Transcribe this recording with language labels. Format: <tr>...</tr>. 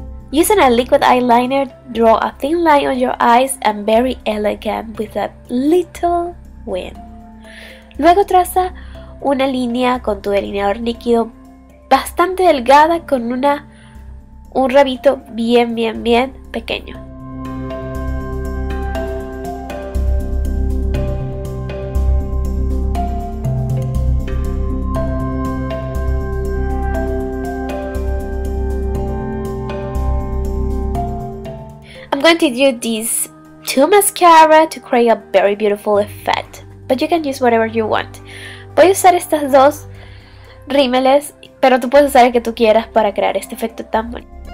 <en>Using a liquid eyeliner, draw a thin line on your eyes and very elegant with a little wing.</en> <es>Luego traza una línea con tu delineador líquido bastante delgada con un rabito bien, bien, bien pequeño.</es> <en>I'm going to do these two mascara to create a very beautiful effect, but you can use whatever you want.</en> <es>Voy a usar estas dos rímeles, pero tú puedes usar el que tú quieras para crear este efecto tan bonito.</es>